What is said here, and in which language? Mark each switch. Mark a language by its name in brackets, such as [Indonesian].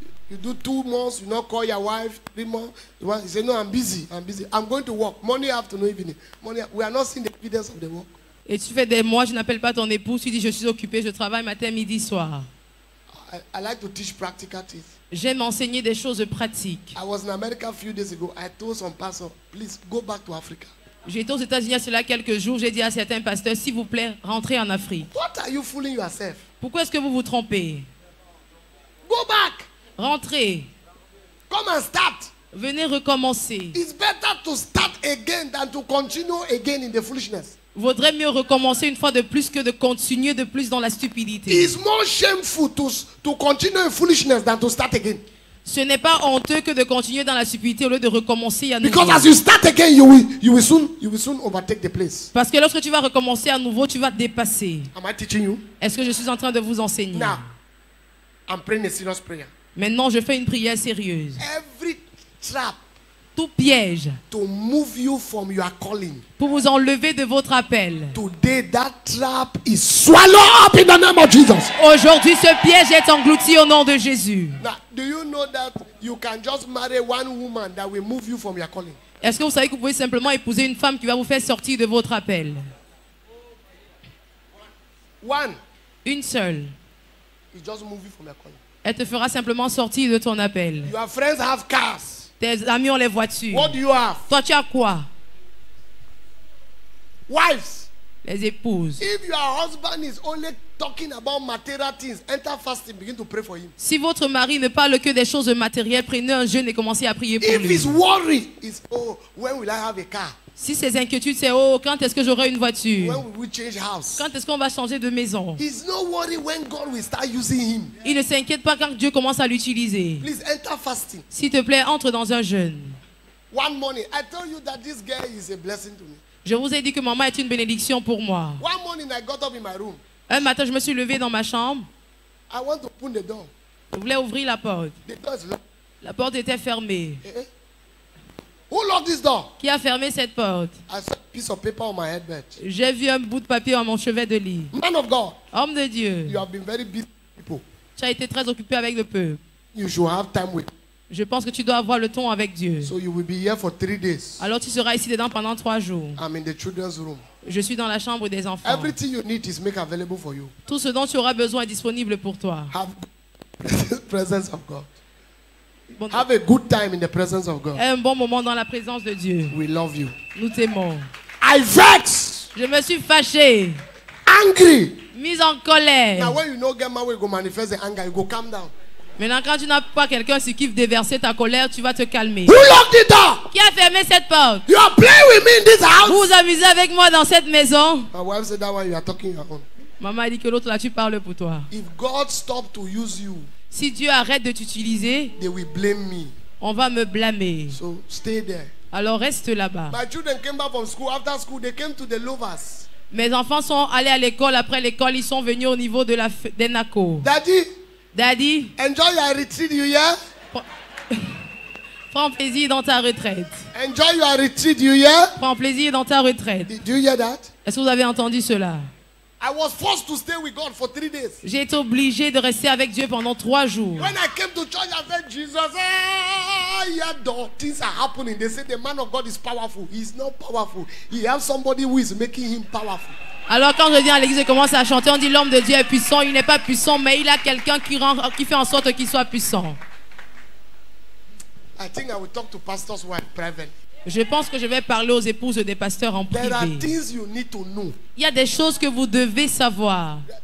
[English] You do 2 months, you not call your wife, 3 months. You say, no, I'm busy. I'm going to work. Morning, afternoon, evening. Morning, we are not seeing the evidence of the work. [French] Et tu fais des mois, je n'appelle pas ton épouse, tu dis je suis occupé, je travaille matin, midi, soir. [English] I like to teach practical things. [French] J'aime enseigner des choses pratiques. [English] I was in America a few days ago. I told some pastor, please go back to Africa. [French] J'étais aux États-Unis cela quelques jours, j'ai dit à certains pasteurs, s'il vous plaît, rentrez en Afrique. [English] What are you fooling yourself? [French] Pourquoi est-ce que vous vous trompez? [English] Go back. [French] Rentrez. [English] Come and start. [French] Venez recommencer. [English] It's better to start again than to continue again in the foolishness. [French] Vaudrait mieux recommencer une fois de plus que de continuer de plus dans la stupidité. [English] It's more shameful to continue in foolishness than to start again. [French] Ce n'est pas honteux que de continuer dans la stupidité au lieu de recommencer à nouveau. [English] Because as you start again, you will soon overtake the place. [French] Parce que lorsque tu vas recommencer à nouveau, tu vas te dépasser. [English] Am I teaching you? [French] Est-ce que je suis en train de vous enseigner? [English] Now, I'm praying a serious prayer. [French] Maintenant, je fais une prière sérieuse. [English] Every trap. [French] Tout piège [English] to move you from your calling. [French] Pour vous enlever de votre appel. [English] Today that trap is swallowed up in the name of Jesus. [French] Aujourd'hui ce piège est englouti au nom de Jésus. [English] Now, do you know that you can just marry one woman that will move you from your calling? [French] Est-ce que vous savez que vous pouvez simplement épouser une femme qui va vous faire sortir de votre appel? [English] One. [French] Une seule. [English] It just move you from your calling. [French] Elle te fera simplement sortir de ton appel. [English] Your friends have cars. [French] Tes amis ont les voitures. [English] What do you have? [French] Toi, tu as quoi? [English] Wives. [French] Les épouses. [English] If your husband is only talking about material things, enter fasting, begin to pray for him. [French] Si votre mari ne parle que des choses matérielles, prenez un jeûne et commencez à prier pour [English] If [French] lui. [English] If his worry is, oh, when will I have a car? [French] Si ses inquiétudes c'est, oh, quand est-ce que j'aurai une voiture? [English] When will we change house? [French] Quand est-ce qu'on va changer de maison? [English] He's not worried when God will start using him. [French] Il ne s'inquiète pas quand Dieu commence à l'utiliser. [English] Please enter fasting. [French] S'il te plaît, entre dans un jeûne. [English] One morning, I told you that this girl is a blessing to me. [French] Je vous ai dit que maman est une bénédiction pour moi. [English] One morning I got up in my room. [French] Un matin, je me suis levé dans ma chambre. [English] I want to open the door. [French] Je voulais ouvrir la porte. [English] The door is locked. [French] La porte était fermée. [English] Who locked this door? [French] Qui a fermé cette porte? [English] I saw a piece of paper on my headbed. [French] J'ai vu un bout de papier à mon chevet de lit. [English] Man of God, [French] homme de Dieu, [English] you have been very busy people. [French] Tu as été très occupé avec le peuple. [English] You should have time with. [French] Je pense que tu dois avoir le temps avec Dieu. [English] So you will be here for 3 days. [French] Alors tu seras ici dedans pendant 3 jours. [English] I'm in the children's room. [French] Je suis dans la chambre des enfants. [English] Everything you need is made available for you. [French] Tout ce dont tu auras besoin est disponible pour toi. [English] Have presence of God. Bon, have a good time in the presence of God. [French] Un bon moment dans la présence de Dieu. [English] We love you. [French] Nous t'aimons. [English] I vex. [French] Je me suis fâché. [English] Angry. [French] Mise en colère. [English] Now when you know get married, go manifest the anger. You go calm down. [French] Maintenant, quand tu n'as pas quelqu'un sur qui déverser ta colère, tu vas te calmer. [English] Who locked the door? [French] Qui a fermé cette porte? [English] You are playing with me in this house. [French] Vous vous amusez avec moi dans cette maison. [English] My wife said that one, you are talking your own. [French] Maman a dit que l'autre là, tu parles pour toi. [English] If God stopped to use you. [French] Si Dieu arrête de t'utiliser, [English] they will blame me. [French] On va me blâmer. [English] So stay there. [French] Alors reste là-bas. [English] My children came back from school. After school, they came to the Lovers. [French] Mes enfants sont allés à l'école. Après l'école, ils sont venus au niveau de la Denaco. [English] Daddy. [French] Daddy. [English] Enjoy your retreat, you hear? [French] Prends plaisir dans ta retraite. [English] Enjoy your retreat, you hear? [French] Prends plaisir dans ta retraite. [English] Do you hear that? [French] Est-ce que vous avez entendu cela? [English] I was forced to stay with God for 3 days. [French] J'ai été obligé de rester avec Dieu pendant 3 jours. [English] When I came to church, I said, Jesus, things are happening. They said the man of God is powerful. He is not powerful. He has somebody who is making him powerful. [French] Alors quand je viens à l'église et commence à chanter, on dit l'homme de Dieu est puissant. Il n'est pas puissant, mais il a quelqu'un qui fait en sorte qu'il soit puissant. [English] I think I will talk to pastors who are private. [French] Je pense que je vais parler aux épouses des pasteurs en privé. [English] There are things you need to know. [French] Il y a des choses que vous devez savoir.